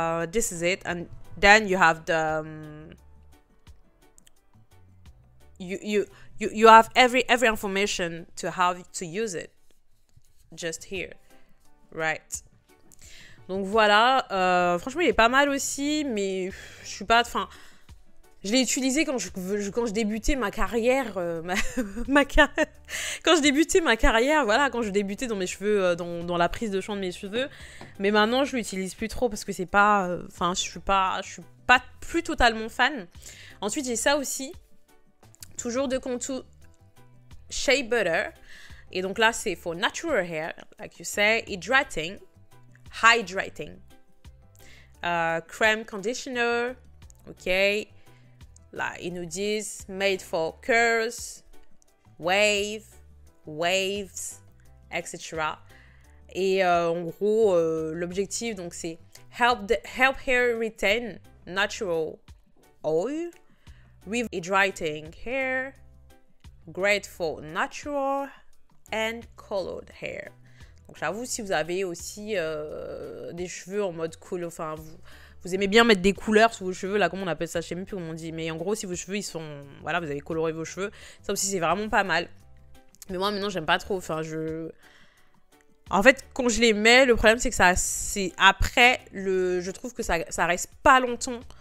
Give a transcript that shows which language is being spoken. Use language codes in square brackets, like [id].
[en] This is it, and then you have the You have every information to how to use it, just here, right? [fr] Donc voilà, franchement il est pas mal aussi, mais je suis pas, enfin, je l'ai utilisé quand je débutais ma carrière, quand je débutais dans mes cheveux, dans la prise de soin de mes cheveux, mais maintenant je l'utilise plus trop parce que c'est pas, enfin je suis pas plus totalement fan. Ensuite j'ai ça aussi. Toujours de Contour Shea Butter. Et donc là, c'est [en] for natural hair, like you say, hydrating. Cream conditioner, ok. [fr] Là, ils nous disent [en] made for curls, waves, etc. [fr] Et en gros, l'objectif, donc, c'est [en] help hair retain natural oil. Rehydrating hair, great for natural and colored hair. [fr] Donc j'avoue, si vous avez aussi des cheveux en mode cool, enfin vous aimez bien mettre des couleurs sous vos cheveux, là comment on appelle ça, je sais même plus comment on dit, mais en gros si vos cheveux ils sont, voilà, vous avez coloré vos cheveux, ça aussi c'est vraiment pas mal. Mais moi maintenant j'aime pas trop, enfin je... En fait quand je les mets, le problème c'est que ça, c'est après, je trouve que ça reste pas longtemps.